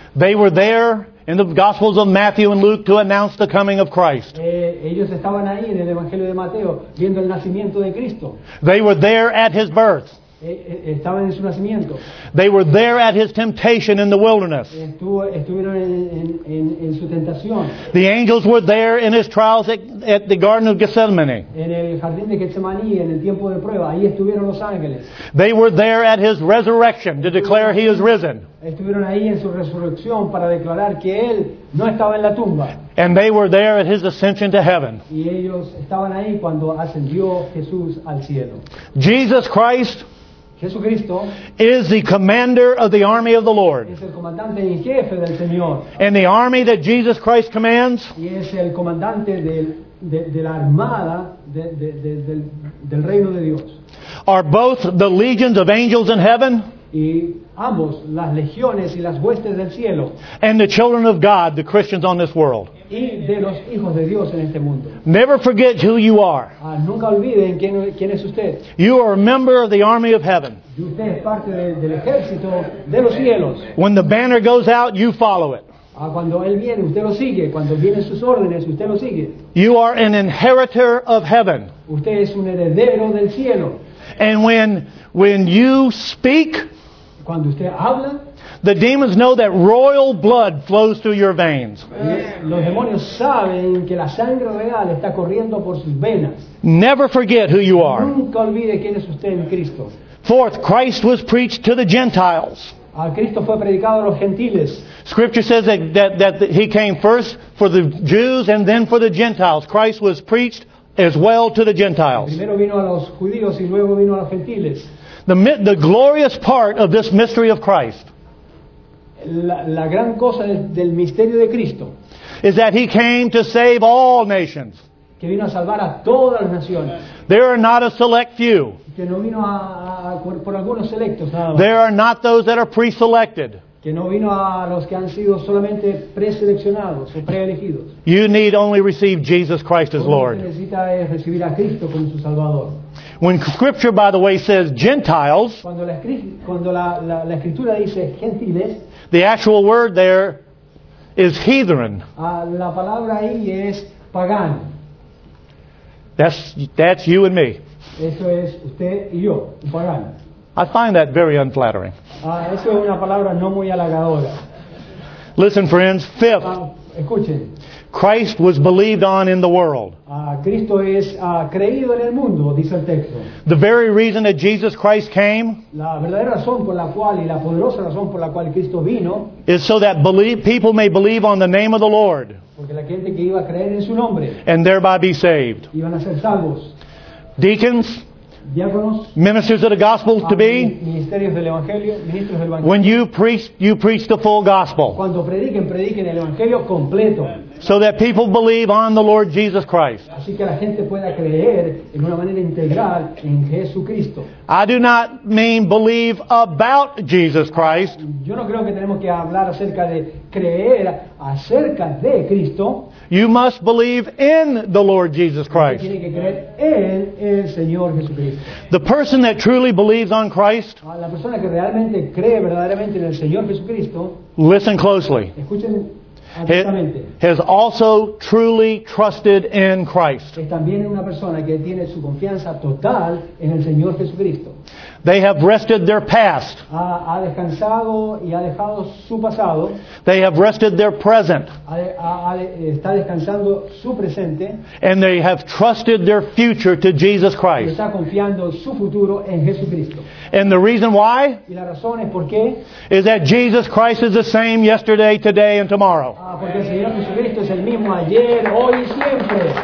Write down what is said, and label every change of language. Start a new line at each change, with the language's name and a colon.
English: They were there in the Gospels of Matthew and Luke to announce the coming of Christ.
Spanish: Ellos estaban ahí en el Evangelio de Mateo viendo el nacimiento de Cristo.
English: They were there at his birth.
Spanish: Estaban en su nacimiento.
English: They were there at his temptation in the wilderness.
Spanish: Estuvieron en su tentación.
English: The angels were there in his trials at the Garden of Gethsemane.
Spanish: En el jardín de Getsemaní, en el tiempo de prueba, ahí estuvieron los ángeles.
English: They were there at his resurrection to declare he is risen.
Spanish: Estuvieron ahí en su resurrección para declarar que él no estaba en la tumba.
English: And they were there at his ascension to heaven.
Spanish: Y ellos estaban ahí cuando ascendió Jesús al cielo.
English: Jesus Christ.
Spanish: Jesucristo
English: is the commander of the army of the Lord.
Spanish: Es el comandante en jefe del Señor.
English: And the army that Jesus Christ commands.
Spanish: Y es el comandante de la armada del reino de Dios.
English: Are both the legions of angels in heaven.
Spanish: Y ambos, las legiones y las huestes del cielo.
English: And the children of God, the Christians on this world.
Spanish: Y de los hijos de Dios en este mundo.
English: Never forget who you are.
Spanish: Nunca olviden quién es usted.
English: You are a member of the army of heaven.
Spanish: Y usted es parte del ejército de los cielos.
English: When the banner goes out, you follow it.
Spanish: Cuando él viene, usted lo sigue. Cuando vienen sus órdenes, usted lo sigue.
English: You are an inheritor of heaven.
Spanish: Usted es un heredero del cielo.
English: And when you speak,
Spanish: cuando usted habla,
English: the demons know that royal blood flows through your veins.
Spanish: Los demonios saben que la sangre real está corriendo por sus venas.
English: Never forget who you are.
Spanish: Nunca olvide quién es usted en Cristo.
English: Fourth, Christ was preached to the Gentiles.
Spanish: A Cristo fue predicado a los gentiles.
English: Scripture says that he came first for the Jews and then for the Gentiles. Christ was preached as well to the Gentiles.
Spanish: Primero vino a los judíos y luego vino a los gentiles.
English: The glorious part of this mystery of Christ.
Spanish: La gran cosa del misterio de Cristo.
English: Is that he came to save all nations.
Spanish: Que vino a salvar a todas las naciones.
English: There are not a select few.
Spanish: Que no vino por algunos selectos.
English: There are not those that are pre-selected.
Spanish: Que no vino a los que han sido solamente preseleccionados o preelegidos.
English: You need only receive Jesus Christ as Lord.
Spanish: Necesita recibir a Cristo como su Salvador.
English: When Scripture, by the way, says Gentiles,
Spanish: cuando la Escritura dice gentiles,
English: the actual word there is heathen.
Spanish: La palabra ahí es pagano.
English: That's you and me.
Spanish: Eso es usted y yo, un pagano.
English: I find that very unflattering.
Spanish: Eso es una palabra no muy halagadora.
English: Listen, friends. Fifth,
Spanish: escuchen.
English: Christ was believed on in the world.
Spanish: Cristo es creído en el mundo, dice el texto.
English: The very reason that Jesus Christ came.
Spanish: La verdadera razón por la cual y la poderosa razón por la cual Cristo vino.
English: Is so that people may believe on the name of the Lord.
Spanish: Porque la gente que iba a creer en su nombre.
English: And thereby be saved.
Spanish: Iban a ser salvos.
English: Deacons.
Spanish: Diáconos,
English: ministers of the gospel to be.
Spanish: Ministerios del evangelio, ministros del evangelio.
English: When you preach the full gospel.
Spanish: Cuando prediquen el evangelio completo.
English: so that people believe on the Lord Jesus Christ.
Spanish: Así que la gente pueda creer en una manera integral en Jesucristo.
English: I do not mean believe about Jesus Christ.
Spanish: Yo no creo que tenemos que hablar acerca de creer acerca de Cristo.
English: You must believe in the Lord Jesus Christ.
Spanish: Tiene que creer en el Señor Jesucristo.
English: The person that truly believes on Christ,
Spanish: la persona que realmente cree verdaderamente en el Señor Jesucristo,
English: listen closely.
Spanish: Escuchen.
English: Has also truly trusted in Christ.
Spanish: Es también una persona que tiene su confianza total en el Señor Jesucristo.
English: They have rested their past.
Spanish: Ha descansado y ha dejado su pasado.
English: They have rested their present.
Spanish: Está descansando su presente.
English: And they have trusted their future to Jesus Christ.
Spanish: Está confiando su futuro en Jesucristo.
English: And the reason why?
Spanish: Y la razón es por qué?
English: Is that Jesus Christ is the same yesterday, today, and tomorrow.
Spanish: Porque el Señor Jesucristo es el mismo ayer, hoy y siempre.